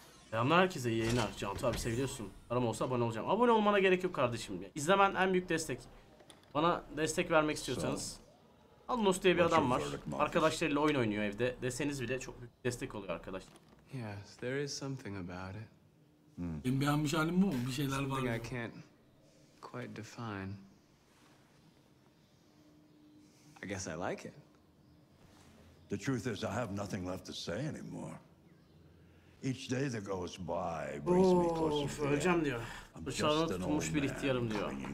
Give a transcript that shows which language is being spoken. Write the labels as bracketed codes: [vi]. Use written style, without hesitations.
[tr] Selamlar herkese, iyi yayınlar. Cantu abi seviyorsun. Param olsa abone olacağım. Abone olmana gerek yok kardeşim. İzlemen en büyük destek. Bana destek vermek istiyorsanız. Alnus diye bir adam var. Arkadaşlarıyla oyun oynuyor evde. Deseniz bile çok büyük destek oluyor arkadaşlar. [en] Yes, there is something about it. [tr] Benim beğenmiş halim bu mu? Bir şeyler var. [en] Something I can't quite define. I guess I like it. The truth is I have nothing left to say anymore. Each day that goes by brings me closer. [tr] Öleceğim diyor. Bıçağına tutulmuş bir ihtiyarım diyor.